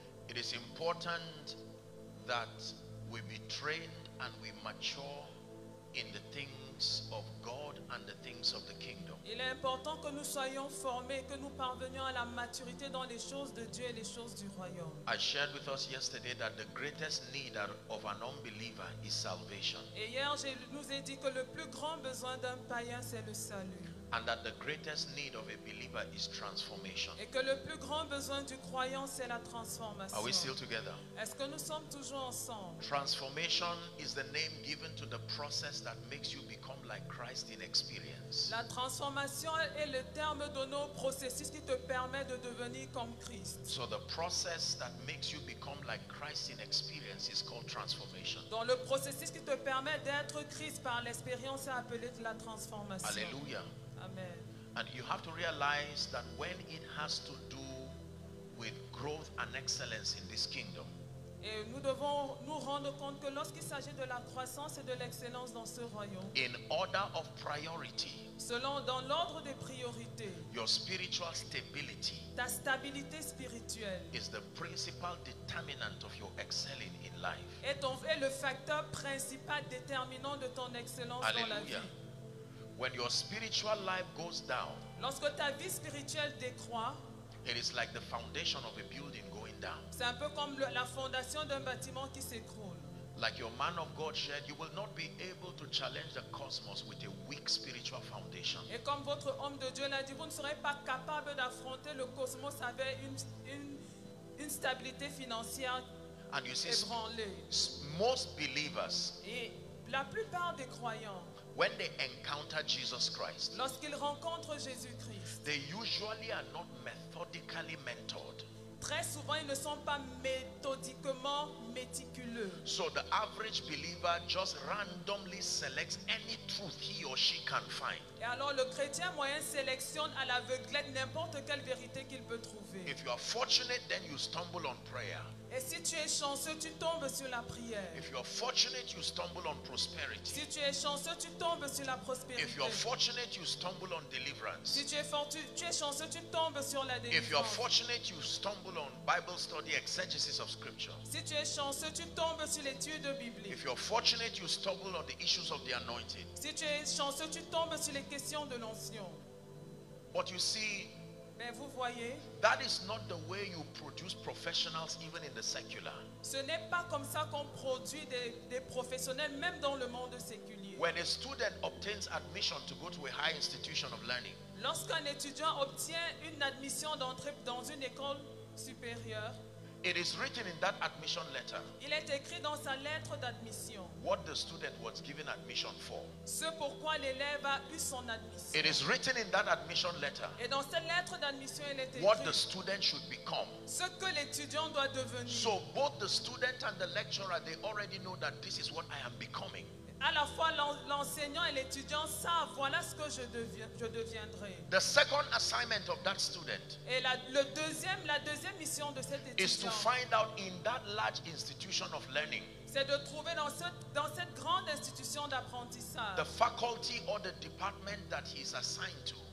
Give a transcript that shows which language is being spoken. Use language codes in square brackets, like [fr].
[en] It is important that we be trained and we mature in the things of God and the things of the kingdom. [fr] Il est important que nous soyons formés, que nous parvenions à la maturité dans les choses de Dieu et les choses du royaume. [en] I shared with us yesterday that the greatest need of an unbeliever is salvation. [fr] Et hier, je nous ai dit que le plus grand besoin d'un païen, c'est le salut. [en] And that the greatest need of a believer is transformation. [fr] Et que le plus grand besoin du croyant, c'est la transformation. [en] Are we still together? [fr] Est-ce que nous sommes toujours ensemble? [en] Transformation is the name given to the process that makes you become like Christ in experience. [fr] La transformation est le terme donné au processus qui te permet de devenir comme Christ. [en] So the process that makes you become like Christ in experience is called transformation. [fr] Donc le processus qui te permet d'être Christ par l'expérience est appelé de la transformation. Alléluia. Amen. [en] And you have to realize that when it has to do with growth and excellence in this kingdom. [fr] Et nous devons nous rendre compte que lorsqu'il s'agit de la croissance et de l'excellence dans ce royaume. [en] In order of priority. [fr] Selon dans l'ordre des priorités. [en] Your spiritual stability. [fr] Ta stabilité spirituelle. [en] Is the principal determinant of your excelling in life. [fr] Est le facteur principal déterminant de ton excellence. Alleluia. Dans la vie. [en] When your spiritual life goes down, [fr] lorsque ta vie spirituelle décroît, [en] it is like the foundation of a building going down. [fr] C'est un peu comme la fondation d'un bâtiment qui s'écroule. [en] Like your man of God shared, you will not be able to challenge the cosmos with a weak spiritual foundation. [fr] Et comme votre homme de Dieu l'a dit, vous ne serez pas capable d'affronter le cosmos avec une stabilité financière ébranlée. [en] Most believers, [fr] et la plupart des croyants, [en] when they encounter Jesus Christ, [fr] lorsqu'ils rencontrent Jésus-Christ, [en] they usually are not methodically mentored. [fr] Très souvent, ils ne sont pas méthodiquement méticuleux. [en] So the average believer just randomly selects any truth he or she can find. [fr] Et alors, le chrétien moyen sélectionne à l'aveuglette n'importe quelle vérité qu'il peut trouver. [en] If you are fortunate, then you stumble on prayer. [fr] Et si tu es chanceux, tu tombes sur la prière. [en] If you are fortunate, you stumble on prosperity. [fr] Si tu es chanceux, tu tombes sur la prospérité. [en] If you are fortunate, you stumble on deliverance. [fr] Si tu es chanceux, tu tombes sur la délivrance. [en] If you are fortunate, you stumble on Bible study, exegesis of scripture. [fr] Si tu es chanceux, tu tombes sur l'étude biblique. [en] If you are fortunate, you stumble on the issues of the anointing. [fr] Si tu es chanceux, tu tombes sur les questions de l'onction. [en] But you see, [fr] mais vous voyez, [en] that is not the way you produce professionals even in the secular. [fr] Ce n'est pas comme ça qu'on produit des professionnels même dans le monde séculier. [en] When a student obtains admission to go to a high institution of learning. [fr] Lorsqu'un étudiant obtient une admission d'entrée dans une école supérieure. [en] It is written in that admission letter. [fr] Il est écrit dans sa lettre d'admission. [en] What the student was given admission for. [fr] Ce pourquoi l'élève a eu son admission. [en] It is written in that admission letter. [fr] Et dans cette lettre d'admission, il est écrit. [en] What the student should become. [fr] Ce que l'étudiant doit devenir. [en] So both the student and the lecturer, they already know that this is what I am becoming. [fr] À la fois l'enseignant et l'étudiant savent voilà ce que je deviendrai. [en] The second assignment of that student. [fr] Et la deuxième mission de cet étudiant. [en] Is to find out in that large institution of learning. [fr] C'est de trouver dans cette grande institution d'apprentissage. [en] The faculty or the department that he is assigned to.